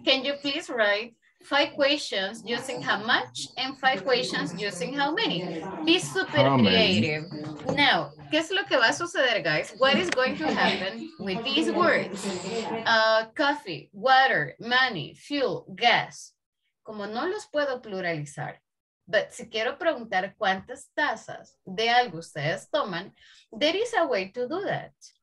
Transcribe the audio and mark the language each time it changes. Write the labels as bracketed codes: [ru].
[en] Can you please write 5 questions using how much and 5 questions using how many? Be super creative. [es] Now, ¿qué es lo que va a suceder, guys? [en] What is going to happen with these words? Coffee, water, money, fuel, gas. [es] Como no los puedo pluralizar, but si quiero preguntar cuántas tazas de algo ustedes toman, [en] there is a way to do that.